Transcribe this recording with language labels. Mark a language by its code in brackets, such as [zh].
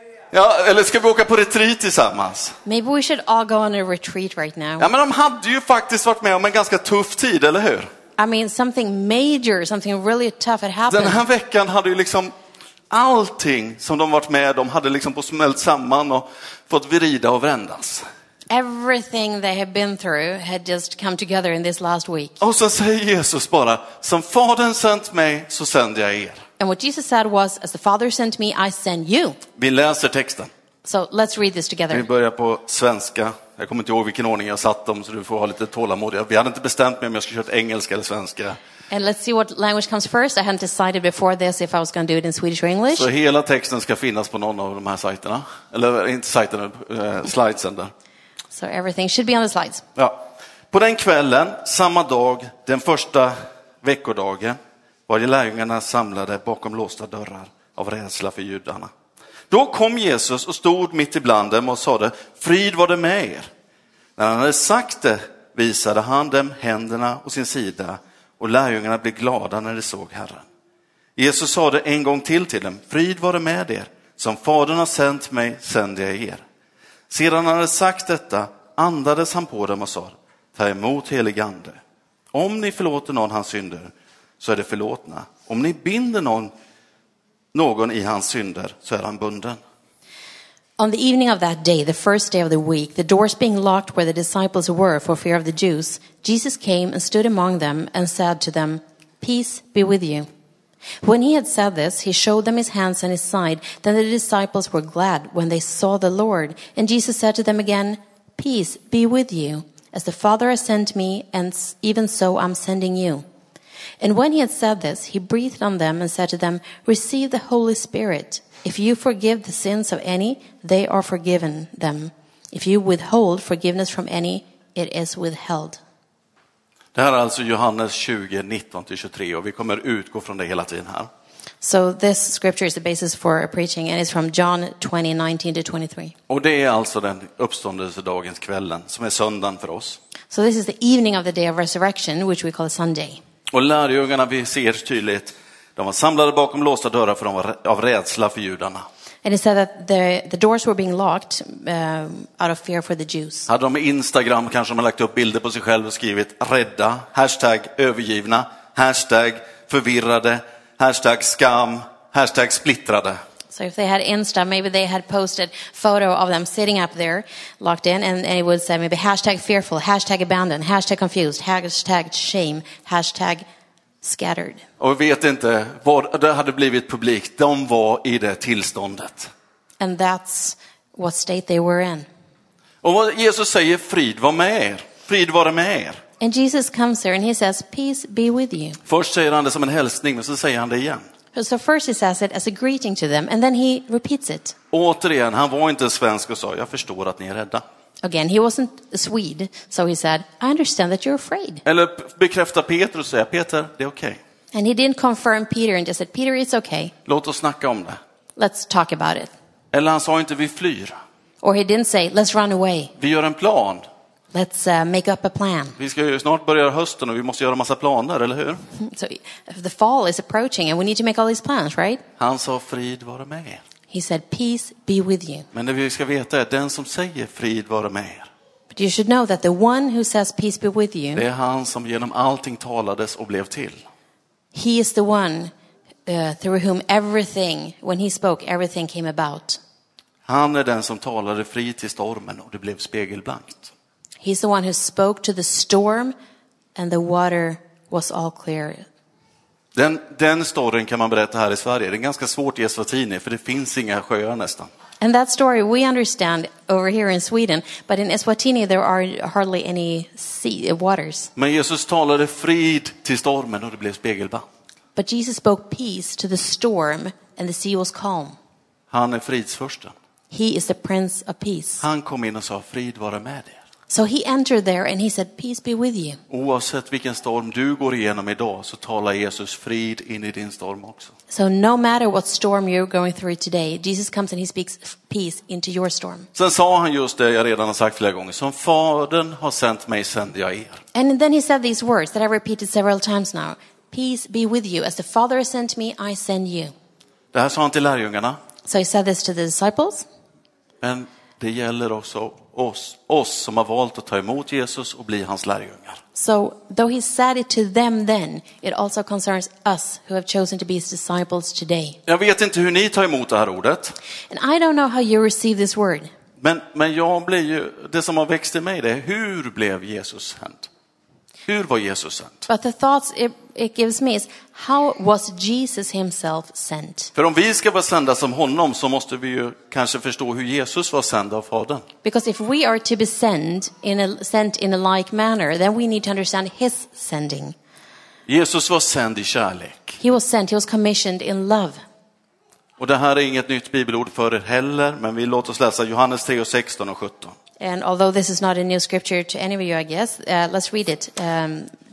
[sv] Ja, eller ska vi åka på retreat tillsammans? [en] Maybe we should all go on a retreat right now. [sv] Ja, men de hade ju faktiskt varit med om en ganska tuff tid, eller hur? [en] I mean something major, something really tough had happened. [sv] Den här veckan hade ju liksom allting som de varit med om hade liksom på smält samman och fått vrida och vändas. [en] Everything they had been through had just come together in this last week. [sv] Och så säger Jesus bara, som fadern sänt mig så sänder jag er. [en] And what Jesus said was, as the Father sent me, I send you. [sv] Vi läser texten. [en] So let's read this together. [sv] Vi börjar på svenska. Jag kommer inte ihåg vilken ordning jag satt dem, så du får ha lite tålamod. Vi hade inte bestämt mig om jag skulle köra engelska eller svenska. [en] And let's see what language comes first. I hadn't decided before this if I was going to do it in Swedish or English. [sv] Så hela texten ska finnas på någon av de här sajterna. Eller inte sajterna, slidesen där. [en] So everything should be on the slides. [sv] Ja. På den kvällen, samma dag, den första veckodagen, var de lärjungarna samlade bakom låsta dörrar av rädsla för judarna. Då kom Jesus och stod mitt ibland dem och sade, frid var det med er. När han hade sagt det visade han dem händerna och sin sida och lärjungarna blev glada när de såg Herren. Jesus sade en gång till dem, frid var det med er. Som fadern har sänt mig sände jag er. Sedan han hade sagt detta andades han på dem och sa, ta emot helig ande. Om ni förlåter någon hans synder så är det förlåtna. Om ni binder någon i hans synder så är han bunden. [en] On the evening of that day, the first day of the week, the doors being locked where the disciples were for fear of the Jews, Jesus came and stood among them and said to them, peace be with you. When he had said this, he showed them his hands and his side. Then the disciples were glad when they saw the Lord. And Jesus said to them again, peace be with you. As the Father has sent me, and even so I'm sending you. And when he had said this, he breathed on them and said to them, receive the Holy Spirit. If you forgive the sins of any, they are forgiven them. If you withhold forgiveness from any, it is withheld. [sv] Det här är alltså Johannes 20, 19-23 och vi kommer utgå från det hela tiden här. [en] So this scripture is the basis for a preaching and it's from John 20, 19-23. [sv] Och det är alltså den uppståndelsedagens kvällen som är söndagen för oss. [en] So this is the evening of the day of resurrection, which we call Sunday. [sv] Och lärjungarna vi ser tydligt, de var samlade bakom låsta dörrar för de var av rädsla för judarna. [en] And he said that the doors were being locked out of fear for the Jews. [sv] Hade de Instagram kanske de har lagt upp bilder på sig själv och skrivit rädda, hashtag övergivna, hashtag förvirrade, hashtag skam, hashtag splittrade. [en] So if they had Insta, maybe they had posted photo of them sitting up there, locked in, and it would say maybe hashtag fearful, hashtag abandoned, hashtag confused, hashtag shame, hashtag scattered. [sv] Och vi vet inte vad det hade blivit publikt. De var i det tillståndet. [en] And that's what state they were in. [sv] Och vad Jesus säger, frid var med er. Frid var med er. [en] And Jesus comes there and he says, peace be with you. [sv] Först säger han det som en hälsning, men så säger han det igen. [en] So first he says it as a greeting to them and then he repeats it. [sv] Återigen, han var inte svensk och sa, jag förstår att ni är rädda. [en] Again, he wasn't a Swede, so he said, I understand that you're afraid. [sv] Eller bekräfta Peter och säga, Peter, det är okej. [en] Okay. And he didn't confirm Peter and just said, Peter, it's okay. [sv] Låt oss snacka om det. [en] Let's talk about it. [sv] Eller han sa inte, vi flyr. [en] Or he didn't say, let's run away. [sv] Vi gör en plan. [en] Let's make up a plan. [sv] Vi ska ju snart börja hösten och vi måste göra massa planer, eller hur? [en] So the fall is approaching and we need to make all these plans, right? [sv] Han sa frid vare med er. [en] He said peace be with you. [sv] Men det vi ska veta är den som säger frid vare med er. [en] But you should know that the one who says peace be with you. [sv] Det är han som genom allting talades och blev till. [en] He is the one through whom everything, when he spoke, everything came about. [sv] Han är den som talade frid till stormen och det blev spegelblankt. [en] He's the one who spoke to the storm and the water was all clear. [sv] Den storyn kan man berätta här i Sverige. Det är ganska svårt i Eswatini för det finns inga sjöar nästan. [en] And that story we understand over here in Sweden, but in Eswatini there are hardly any sea waters. [sv] Men Jesus talade frid till stormen och det blev spegelblankt. [en] But Jesus spoke peace to the storm and the sea was calm. [sv] Han är fridsfursten. [en] He is the prince of peace. [sv] Han kom in och sa frid vare med er. [en] So he entered there and he said peace be with you. [sv] Oavsett vilken storm du går igenom idag så talar Jesus frid in i din storm också. [en] So no matter what storm you're going through today, Jesus comes and he speaks peace into your storm. [sv] Sen sa han just det jag redan har sagt flera gånger, som fadern har sänt mig sänder jag er. [en] And then he said these words that I repeated several times now. Peace be with you as the father sent me, I send you. [sv] Det här sa han till lärjungarna. [en] So he said this to the disciples. [sv] Men det gäller också oss som har valt att ta emot Jesus och bli hans lärjungar. [en] So though he said it to them then, it also concerns us who have chosen to be his disciples today. [sv] Jag vet inte hur ni tar emot det här ordet. [en] And I don't know how you receive this word. [sv] Men jag blir ju, det som har växt i mig det, hur blev Jesus sänd? Hur var Jesus sänd? [en] But the thoughts it gives me is, how was Jesus himself sent? [sv] För om vi ska vara sända som honom så måste vi ju kanske förstå hur Jesus var sänd av fadern. [en] Because if we are to be sent in a like manner, then we need to understand his sending. [sv] Jesus var sänd i kärlek. [en] He was sent, he was commissioned in love. [sv] Och det här är inget nytt bibelord för er heller, men vi låter oss läsa Johannes 3, 16 och 17. [en] And although this is not a new scripture to any of you, I guess, let's read it.